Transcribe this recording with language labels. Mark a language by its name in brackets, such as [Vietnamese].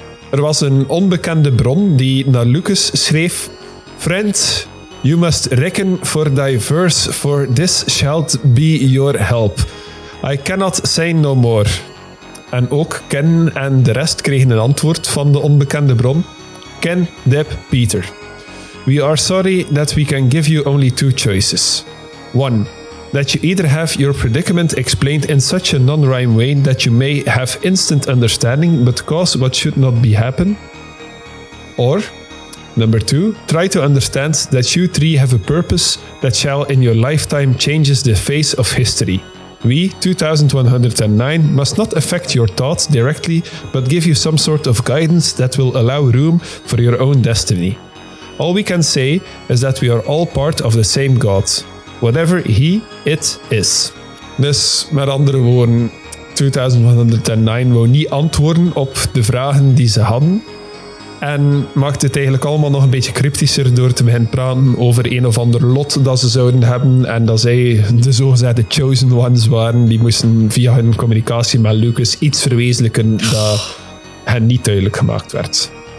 [Dutch] Er was een onbekende bron die naar Lucas schreef: [English] Friend, you must reckon for thy verse, for this shall be your help. I cannot say no more. [Dutch] En ook Ken en de rest kregen een antwoord van de onbekende bron. [English] Ken, Deb, Peter. We are sorry that we can give you only two choices. One. That you either have your predicament explained in such a non-rhyme way that you may have instant understanding but cause what should not be happen. Or, Number 2. Try to understand that you three have a purpose that shall in your lifetime changes the face of history. We, 2109, must not affect your thoughts directly, but give you some sort of guidance that will allow room for your own destiny. All we can say is that we are all part of the same God, whatever he, it is. [Dutch] Dus met andere woorden, 2109 wou niet antwoorden op de vragen die ze hadden. En maakt het eigenlijk allemaal nog een beetje cryptischer door te beginnen praten over een of ander lot dat ze zouden hebben. En dat zij de zogezegde chosen ones waren. Die moesten via hun communicatie met Lucas iets verwezenlijken dat hen niet duidelijk gemaakt werd.